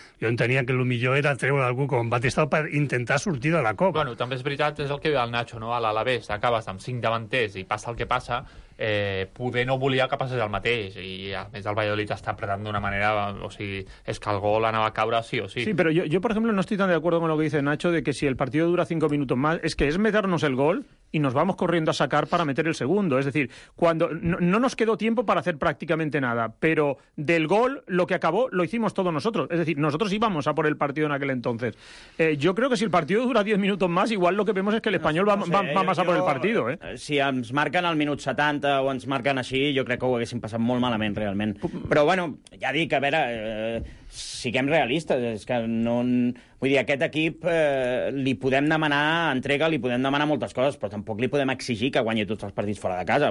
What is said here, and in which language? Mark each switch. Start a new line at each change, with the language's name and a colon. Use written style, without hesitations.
Catalan: Jo entenia que el millor era treure algú com Baptistao per intentar sortir de la Copa. Bueno, també és veritat, és el que diu el Nacho, no? A l'Alavés, acabes amb 5 davanters i passa el que passa, poder no volia que passés el mateix, i a més el Valladolid està apretant d'una manera, o sigui, és que el gol anava a caure sí o sí. Sí, però jo per exemple, no estic tan
Spanish: de acuerdo con lo que dice Nacho, de que si el partido dura 5 minutos más, es que es meternos el gol y nos vamos corriendo a sacar para meter el segundo. Es decir, cuando no nos quedó tiempo para hacer prácticamente nada, pero del gol, lo que acabó, lo hicimos todos nosotros. Es decir, nosotros íbamos a por el partido en aquel entonces. Yo creo que si el partido dura 10 minutos más, igual lo que vemos es que el Español va más a por el partido.
Catalan: Si ens marquen al minut 70 o ens marquen així, jo crec que ho haguéssim passat molt malament, realment. Però, bueno, ja dic, a veure, siguem realistes, és que no... Vull dir, a aquest equip li podem demanar entrega, li podem demanar moltes coses, però tampoc li podem exigir que guanyi tots els partits fora de casa.